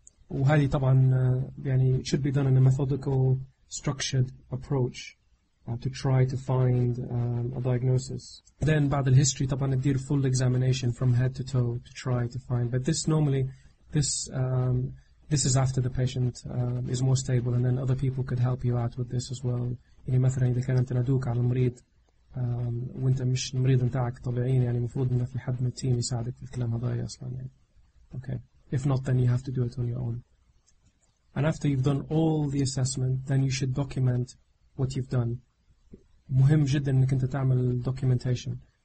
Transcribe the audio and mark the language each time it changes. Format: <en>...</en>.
<ar>وهذه طبعا يعني</ar> <en>should be done in a methodical, structured approach to try to find a diagnosis. Then</en> <ar>بعد الهيستوري طبعا ندير</ar> <en>full examination from head to toe to try to find. But this normally, this is after the patient is more stable and then other people could help you out with this as well.</en> <ar>يعني مثلا إذا كان أنت ندوك على المريض وأنت مش المريض نتاعك طبيعين يعني مفروض أن في حد من التيم يساعدك في الكلام هذايا أصلا يعني.</ar> <en>Okay. If not then you have to do it on your own. And after you've done all the assessment then you should document what you've done.</en> <ar>مهم جدا أنك أنت تعمل documentation.</ar>